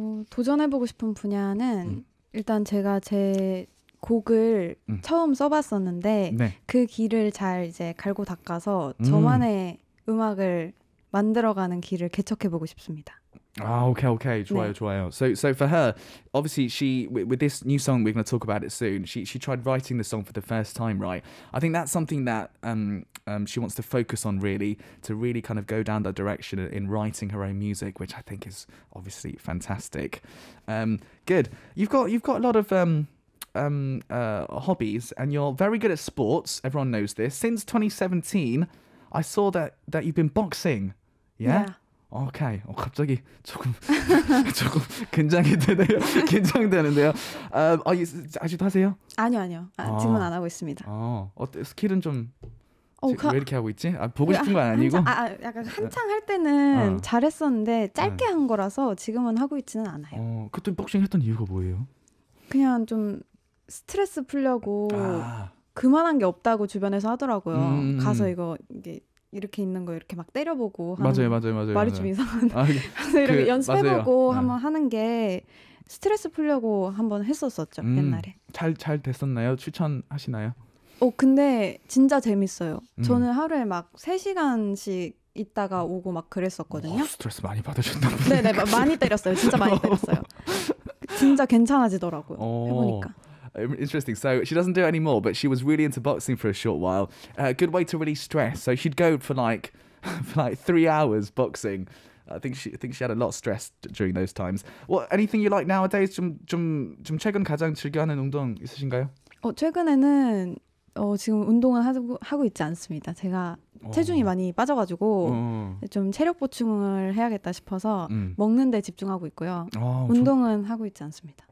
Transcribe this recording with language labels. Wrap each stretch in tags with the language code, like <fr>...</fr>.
<ko>도전해보고 싶은 분야는 일단 제가 제 곡을 처음 써봤었는데 네. 그 길을 잘 이제 갈고 닦아서 저만의 음악을 만들어가는 길을 개척해보고 싶습니다.</ko> <en>Oh, okay, okay,</en> <ko>좋아요, 네. 좋아요.</ko> <en>So for her, obviously she, with this new song, we're going to talk about it soon, she tried writing the song for the first time, right? I think that's something that she wants to focus on, really, to really kind of go down that direction in writing her own music, which I think is obviously fantastic. Good. You've got a lot of hobbies, and you're very good at sports. Everyone knows this. Since 2017, I saw that you've been boxing, yeah? Okay.</en> <ko>갑자기 조금 긴장이 되네요. 긴장되는데요. 아직도 하세요? 아니요. 지금은 안 하고 있습니다. 어때? 스킬은 좀 왜 이렇게 하고 있지? 보고 싶은 거 아니고? 약간 한창 할 때는 잘했었는데 짧게 한 거라서 지금은 하고 있지는 않아요. 그때 복싱 했던 이유가 뭐예요? 그냥 좀 스트레스 풀려고 그만한 게 없다고 주변에서 하더라고요. 가서 이렇게 있는 거 이렇게 막 때려보고 맞아요. 말이 좀 이상한데 이렇게 연습해보고 한번 하는 게 스트레스 풀려고 한번 했었었죠. 옛날에 잘 됐었나요? 추천하시나요? 근데 진짜 재밌어요. 저는 하루에 막 3시간씩 있다가 오고 막 그랬었거든요. 스트레스 많이 받으셨나 보네. 네네 많이 때렸어요. 진짜 많이 때렸어요. 진짜 괜찮아지더라고요. 해보니까</ko> <en>Interesting. So she doesn't do it anymore, but she was really into boxing for a short while. Good way to release stress. So she'd go for like 3 hours boxing. I think she had a lot of stress during those times. What anything you like nowadays?</en> <ko>좀 최근 가장 즐겨하는 운동 있으신가요? 최근에는 지금 운동은 하고 있지 않습니다. 제가 체중이 많이 빠져가지고 좀 체력 보충을 해야겠다 싶어서 먹는 데 집중하고 있고요. 운동은 하고 있지 않습니다.</ko>